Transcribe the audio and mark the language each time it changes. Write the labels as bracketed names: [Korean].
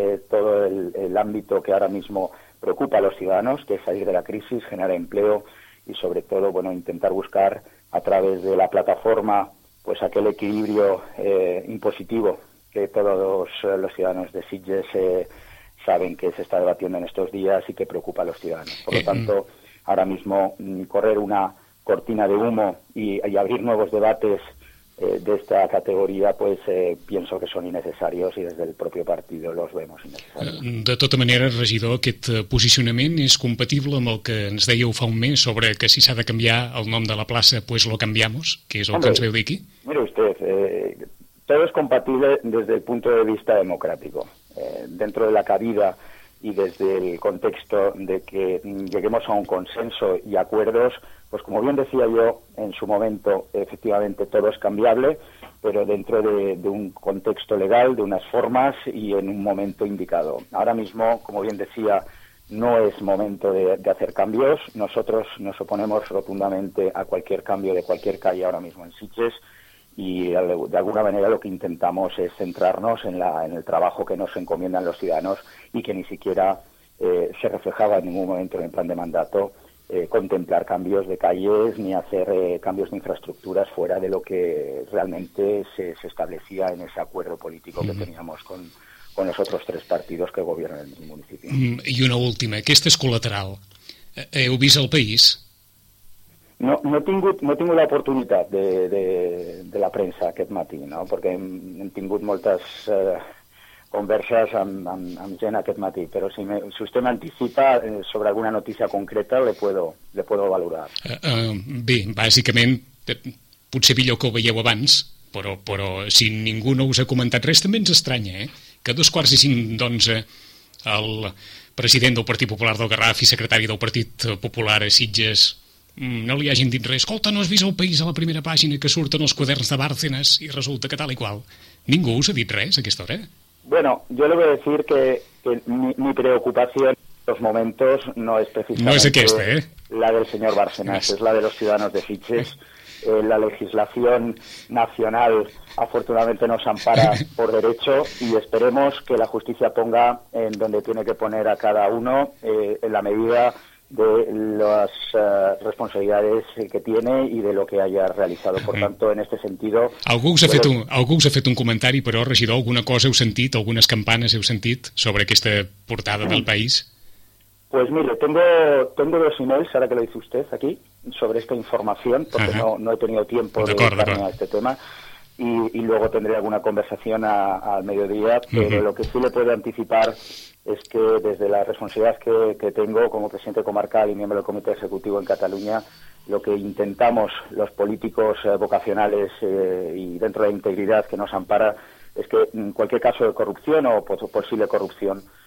[Spanish] todo el ámbito que ahora mismo preocupa a los ciudadanos, que es salir de la crisis, generar empleo y, sobre todo, bueno, intentar buscar a través de la plataforma pues aquel equilibrio impositivo que todos los ciudadanos de Sitges saben que se está debatiendo en estos días y que preocupa a los ciudadanos. Por lo tanto, ahora mismo correr una cortina de humo y abrir nuevos debates de esta categoria, pues [Catalan] penso que són innecessaris i des del propi partit [Spanish] los vemos innecessaris. [Catalan] De tota manera, regidor, aquest posicionament és compatible amb el que ens dèieu fa un mes sobre que si s'ha de canviar el nom de la plaça, [Spanish] pues lo cambiamos, [Catalan] que és el que ens veu dir aquí? [Spanish] Mira, usted, todo es compatible desde el punto de vista democrático. Dentro de la cabida y desde el contexto de que lleguemos a un consenso y acuerdos, pues como bien decía yo en su momento, efectivamente todo es cambiable, pero dentro de un contexto legal, de unas formas y en un momento indicado. Ahora mismo, como bien decía, no es momento de hacer cambios. Nosotros nos oponemos rotundamente a cualquier cambio de cualquier calle ahora mismo en Sitges y de alguna manera lo que intentamos es centrarnos en el trabajo que nos encomiendan los ciudadanos y que ni siquiera se reflejaba en ningún momento en el plan de mandato. Contemplar cambios de calles ni hacer cambios de infraestructuras fuera de lo que realmente se establecía en ese acuerdo político que teníamos con los otros tres partidos que gobiernan el municipio. [Catalan] Y una última, aquesta és col·lateral. Heu vist el país? No he tingut la oportunitat de la premsa aquest matí, no? Perquè hem tingut moltes converses amb gent aquest matí, però si vostè m'anticipa sobre alguna notícia concreta [Spanish] le puedo valorar. [Catalan] Bé, bàsicament potser millor que ho veieu abans, però si ningú no us ha comentat res també ens estranya, que 4:45 el president del Partit Popular del Garraf i secretari del Partit Popular a Sitges no li hagin dit res. Escolta, no has vist el país a la primera pàgina que surten els quaderns de Bárcenas i resulta que tal i qual. Ningú us ha dit res a aquesta hora? [Spanish] Bueno, yo le voy a decir que mi preocupación en estos momentos no es precisamente la del señor Bárcenas, es la de los ciudadanos de Sitges. La legislación nacional afortunadamente nos ampara por derecho y esperemos que la justicia ponga en donde tiene que poner a cada uno en la medida de las responsabilidades que tiene y de lo que haya realitzado. [Catalan] Per tant, en aquest sentit... Algú us ha fet un comentari, però, regidor, alguna cosa heu sentit, algunes campanes heu sentit sobre aquesta portada del País? [Spanish] Pues mire, tengo dos emails, ahora que lo dice usted aquí, sobre esta información, porque no he tenido tiempo de hablarme a este tema, y luego tendré alguna conversación al mediodía, pero lo que sí le puedo anticipar es que desde la responsabilidad que tengo como presidente comarcal y miembro del Comité Ejecutivo en Cataluña, lo que intentamos los políticos vocacionales y dentro de la integridad que nos ampara es que en cualquier caso de corrupción o posible corrupción